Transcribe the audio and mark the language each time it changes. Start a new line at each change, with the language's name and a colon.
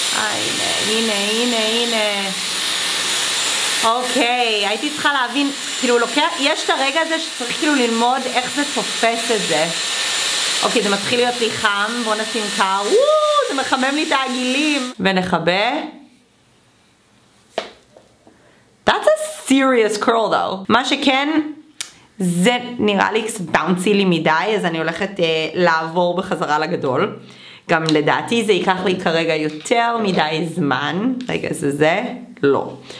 Hebrew: הנה. אוקיי, הייתי צריכה להבין, כאילו לוקח, יש את הרגע הזה שצריך כאילו ללמוד איך זה תופס את זה. אוקיי, זה מתחיל להיות לי חם, בוא נשים קר, זה מחמם לי את העגילים. ונחבא.
English: That's a serious curl though.
Hebrew: מה שכן, זה נראה לי קצת באונצי לי מדי, אז אני הולכת לעבור בחזרה לגדול. גם לדעתי זה ייקח לי כרגע יותר מדי זמן. רגע, זה? לא.